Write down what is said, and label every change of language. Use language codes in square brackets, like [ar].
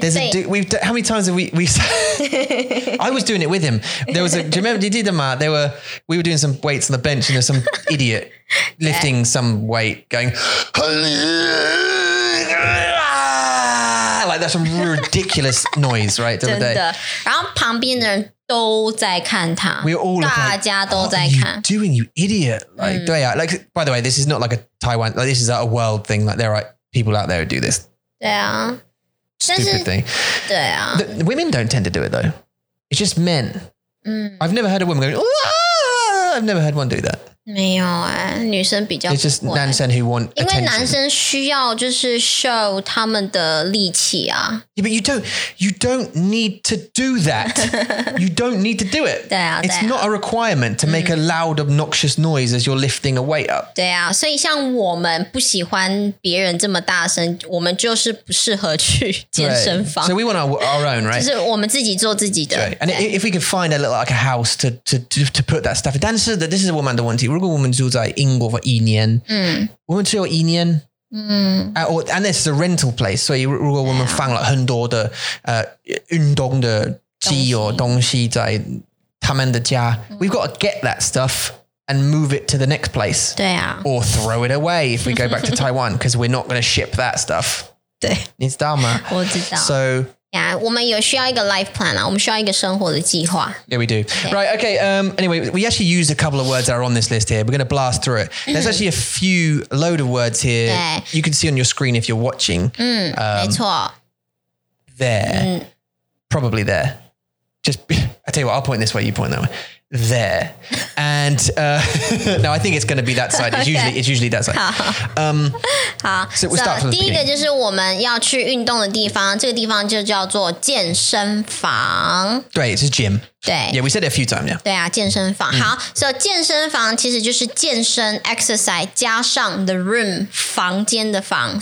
[en] There's [zh] 对, [en] a dude, we've, how many times have we I was doing it with him. There was a, do you remember, did you do the There were, we were doing some weights on the bench and there's some idiot lifting some weight going, like that's some ridiculous noise, right? The other day. [zh] 然后旁边的人都在看他。 [en] We were all looking [zh] 大家都在看。 [en] What are you doing, you idiot? Like, [zh] 对啊, [en] like, by the way, this is not like a Taiwan, like this is like a world thing. Like there are people out there who do this. [zh] 对啊 [en] Stupid [zh] 但是, [en] thing. [zh] 对啊 [en] the, Women don't tend to do it though. It's just men. 嗯, I've never heard a woman go, I've never heard one do that. [zh] 没有啊女生比较不会 [en] It's just [zh] 男生 [en] who want attention. [zh] 因为男生需要就是 show 他们的力气啊 [en] Yeah, but you don't need to do that. You don't need to do it. [zh] 对啊 [en] It's [zh] 对啊 [en] not a requirement to make a loud obnoxious noise as you're lifting a weight up. [zh] 对啊所以像我们不喜欢别人这么大声我们就是不适合去健身房 [en] right. So we want our own, right? [zh] 就是我们自己做自己的 [en] right. And if we could find a little like a house to put that stuff in. 但是 this is a woman [zh] 的问题如果我们住在英国 [en] for 一年、嗯、 [zh] 我们只有一年、 [en] 嗯、or, and this is a rental place [zh] 所以如果我们放了很多的、运动的机或东西在他们的家、 [en] 嗯、we've got to get that stuff and move it to the next place [zh] 对啊 [en] or throw it away if we go back to Taiwan because we're not going to ship that stuff [zh] 对你知道吗我知道 [en] so [zh] Yeah, 我们有需要一个 [en] life plan [zh] 啊，我们需要一个生活的计划。 [en] Yeah, we do. Okay. Right, okay. Anyway, we actually used a couple of words that are on this list here. We're going to blast through it. There's actually a few load of words here. You can see on your screen if you're watching. [zh] 没错。 [en] There. Probably there. Just, I tell you what, I'll point this way, you point that way. There. And, no, I think it's going to be that side. It's usually, okay. it's usually that side. [zh] 好。 [en] So we'll start from the beginning. [zh] 第一个就是我们要去运动的地方。这个地方就叫做健身房。对, [en] it's a gym. [zh] 对。 [en] Yeah, we said it a few times, yeah. [zh] 对啊,健身房。好, so 健身房其实就是健身 exercise 加上 [en] the room, [zh] 房间的房。